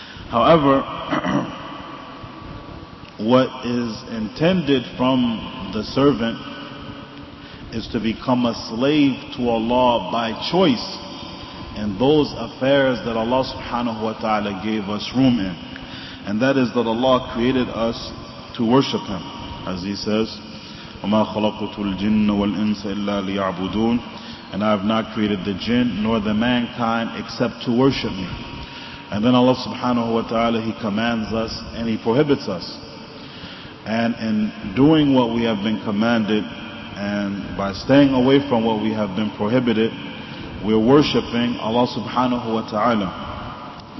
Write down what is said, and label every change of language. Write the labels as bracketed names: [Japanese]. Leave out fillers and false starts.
[English] However, what is intended from the servant is to become a slave to Allah by choice in those affairs that Allah subhanahu wa ta'ala gave us room in. And that is that Allah created us to worship Him. As He says, [Arabic] وَمَا خَلَقُتُ الْجِنَّ وَالْإِنسَ إِلَّا لِيَعْبُدُونَ. [English] And I have not created the jinn nor the mankind except to worship Me. And then Allah subhanahu wa ta'ala, He commands us and He prohibits us. And in doing what we have been commanded and by staying away from what we have been prohibited, we're worshiping Allah subhanahu wa ta'ala.